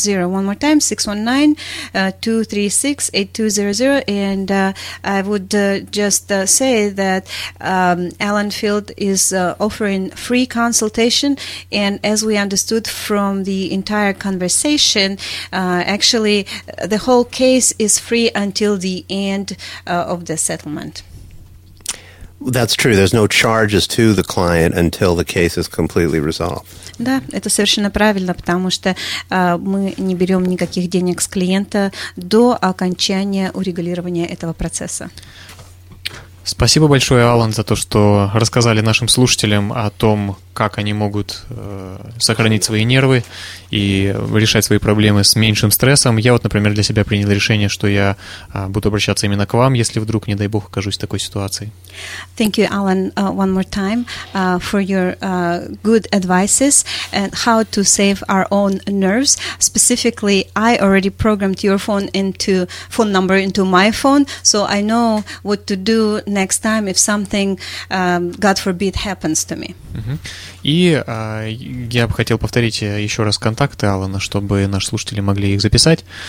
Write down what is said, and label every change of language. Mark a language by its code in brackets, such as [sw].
[en] One more time, 619-236-8200, and I would just say that Alan Field is offering free consultation, and as we understood from the entire conversation, actually the whole case is free until the end of the settlement. That's true. There's no charges to the client until the case is completely resolved. [ru] Да, это совершенно правильно, потому что мы не берем никаких денег с клиента до окончания урегулирования этого процесса. Спасибо большое, Алан, за то, что рассказали нашим слушателям о том, как они могут сохранить свои нервы и решать свои проблемы с меньшим стрессом. Я вот, например, для себя принял решение, что я буду обращаться именно к вам, если вдруг, не дай бог, окажусь в такой ситуации. [en] Thank you, Alan, one more time for your good advices and how to save our own nerves. Specifically, I already programmed your phone number into my phone, so I know what to do next time if something, God forbid, happens to me. [ru] И я бы хотел повторить еще раз контакты Алана, чтобы наши слушатели могли их записать.